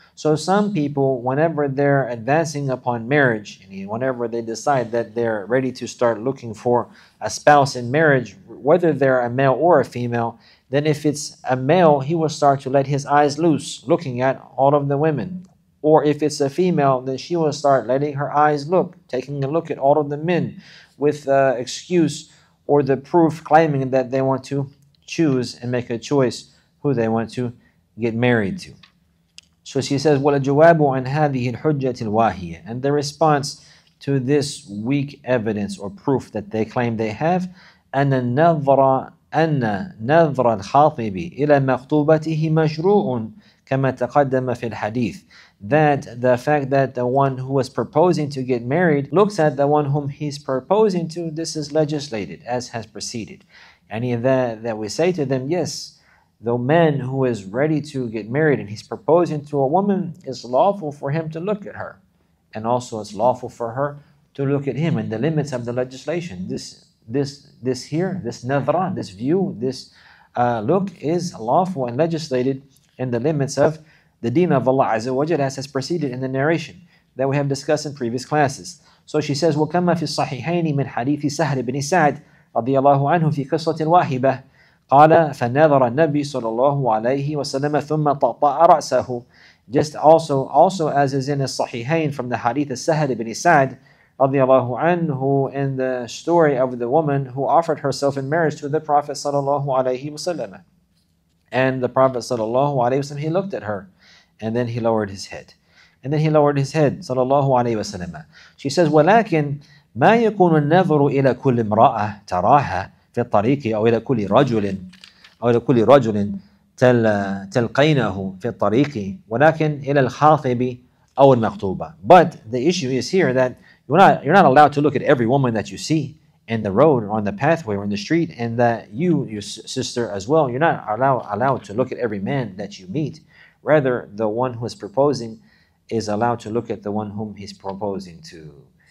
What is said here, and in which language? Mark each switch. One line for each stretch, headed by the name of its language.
English: So some people, whenever they're advancing upon marriage, whenever they decide that they're ready to start looking for a spouse in marriage, whether they're a male or a female, then if it's a male, he will start to let his eyes loose, looking at all of the women. Or if it's a female, then she will start letting her eyes look, taking a look at all of the men with the excuse or the proof claiming that they want to choose and make a choice who they want to get married to. So she says,
Arabic: وَلَجُوَابُ عَنْ هَذِهِ الْحُجَّةِ الْوَاهِيَةِ.
English: And the response to this weak evidence or proof that they claim they have,
Arabic: أَنَّ نَظْرَ الْخَاطِبِ إِلَى مَخْطُوبَتِهِ مَشْرُوعٌ كَمَا تَقَدَّمَ فِي الْحَدِيثِ.
English: That the fact that the one who was proposing to get married looks at the one whom he's proposing to, this is legislated, as has preceded. And that we say to them, yes, the man who is ready to get married and he's proposing to a woman, it's lawful for him to look at her. And also it's lawful for her to look at him, and the limits of the legislation. This nadra, this view, this look is lawful and legislated in the limits of the deen of Allah Azza wa Jalla, as has preceded in the narration that we have discussed in previous classes. So she says,
Arabic: وَكَمَّ فِي الصَّحِحَيْنِ مِنْ حَدِيثِ سَهْرِ بْنِ سَعْدِ رَضِيَ اللَّهُ عَنْهُ فِي قِصَّةٍ وَاهِبَةٍ. قال فنظر النبي صلى الله عليه وسلم ثم طأطأ رأسه.
English: Just also as is in al-Sahihain from the hadith al-Sahal ibn Sa'd radiallahu anhu, in the story of the woman who offered herself in marriage to the Prophet sallallahu alayhi wa sallam. And the Prophet sallallahu alayhi wa sallam, he looked at her and then he lowered his head. And then he lowered his head sallallahu alayhi wa sallam. She says,
Arabic: وَلَكِنْ مَا يَكُونُ النَّظْرُ إِلَى كُلِّ امْرَأَةٍ تَرَاهَا فِي الطَّرِيقِ أَوْ إِلَى كُلِّ رَجُلٍ أَوْ إِلَى كُلِّ رَجُلٍ تلقينه في الطريق ولكن إلى الخاطب أو المخطوبة.
English: But the issue is here that you're not allowed to look at every woman that you see in the road or on the pathway or in the street, and that your sister as well, you're not allowed to look at every man that you meet. Rather, the one who is proposing is allowed to look at the one whom he's proposing to.